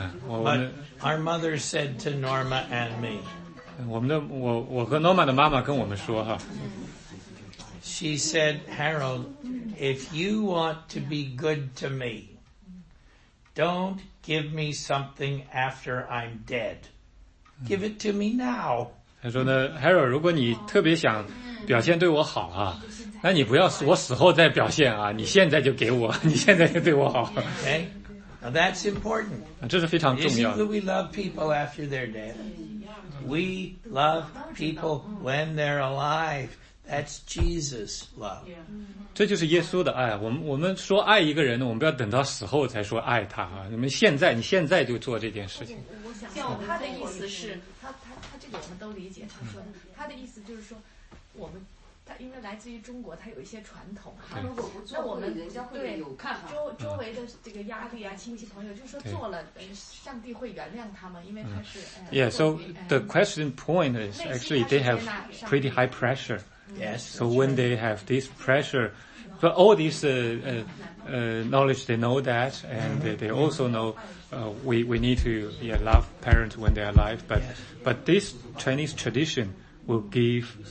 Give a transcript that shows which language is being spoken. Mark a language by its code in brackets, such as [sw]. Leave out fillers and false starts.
[en] But our mother said to Norma and me. [zh] 我和 Norma 的妈妈跟我们说哈。 [en] She said, Harold, if you want to be good to me, don't give me something after I'm dead. Give it to me now. [zh] 她说呢 ,Harold, 如果你特别想表现对我好啊，那你不要我死后再表现啊，你现在就给我，你现在就对我好。 [en] Okay, now that's important. [zh] 这是非常重要的。 [en] Isn't that we love people after they're dead? We love people when they're alive. That's Jesus' love. [zh] 这就是耶稣的爱。我们说爱一个人呢，我们不要等到死后才说爱他啊。你现在就做这件事情。我想他的意思是，他这个我们都理解。他说他的意思就是说，我们。因为来自于中国，它有一些传统，他如果不做，那我们人家会有看法。周围的这个压力啊，亲戚朋友，就是说做了，上帝会原谅他们，因为他是。 [en] Yeah, so the question point is actually they have pretty high pressure. Yes. So when they have this pressure, but all this knowledge, they know that, and they also know. We need to love parents when they're alive, but but this Chinese tradition will give.